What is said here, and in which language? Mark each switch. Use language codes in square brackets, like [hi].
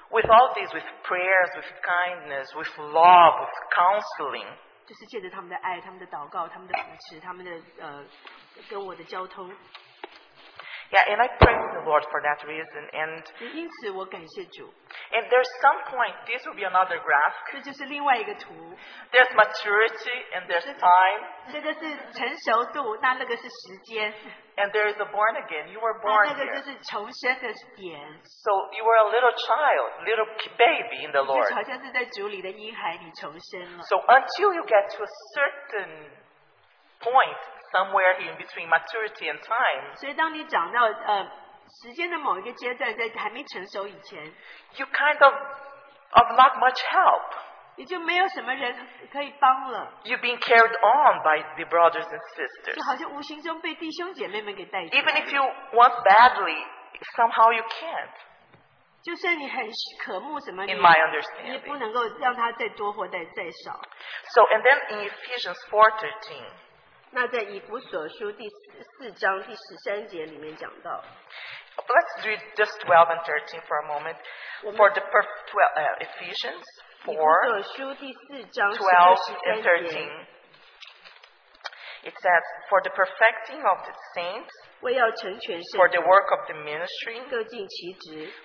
[en] With all these, with prayers, with kindness, with love, with counseling. [zh] 就是借着他们的爱，他们的祷告，他们的扶持，他们的跟我的交通。 [en] Yeah, and I praise the Lord for that reason. And [zh] 因此我感谢主。 [en] And there's some point, this will be another graph. [zh] 这就是另外一个图。 [en] There's maturity and there's time. [zh] 这个是成熟度，那那个是时间。 [en] And there is a born again. You were born here. [zh] 那那个就是重生的点。 [en] So you were a little child, little baby in the Lord. [zh] 就好像是在主里的婴孩，你重生了。 [en] So until you get to a certain point, somewhere in between maturity and time. [zh] 所以当你长到时间的某一个阶段，在还没成熟以前， [en] you kind of not much help. You've been carried on by the brothers and sisters. Even if you want badly, somehow you can't. In my understanding. So, and then in Ephesians 4:13, [zh] 那在以弗所书第四章第十三节里面讲到, [en] let's read just 12 and 13 for a moment. For the Ephesians 4, 12 and 13, it says, for the perfecting of the saints, [zh] 为要成全圣徒, [en] for the work of the ministry, [zh] 各尽其职,